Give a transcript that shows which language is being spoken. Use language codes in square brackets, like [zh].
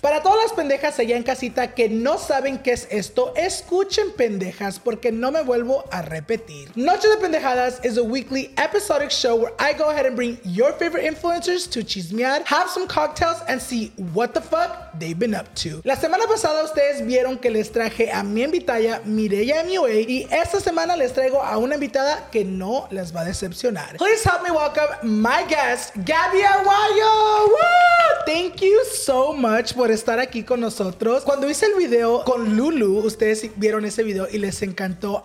[es] Para todas las pendejas allá en casita que no saben qué es esto, escuchen pendejas porque no me vuelvo a repetir. [en] Noche de Pendejadas is a weekly episodic show where I go ahead and bring your favorite influencers to chismear, have some cocktails, and see what the fuck they've been up to. [es] La semana pasada ustedes vieron que les traje a mi invitada, Mireya MUA, y esta semana les traigo a una invitada que no les va a decepcionar. [en] Please help me welcome my guest, Gabby Aguayo. Woo! [es] Thank you so much por estar aquí con nosotros. Cuando hice el video con Lulu, ustedes vieron ese video y les encantó.